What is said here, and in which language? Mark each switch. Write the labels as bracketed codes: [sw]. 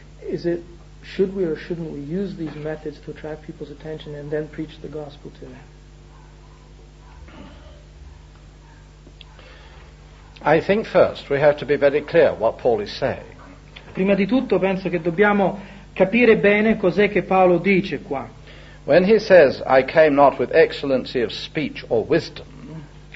[en] Is it, should we or shouldn't we use these methods to attract people's attention and then preach the gospel to them? I think first we have to be very clear what Paul is saying. [it] Prima di tutto penso che dobbiamo capire bene cos'è che Paolo dice qua. [en] When he says I came not with excellency of speech or wisdom.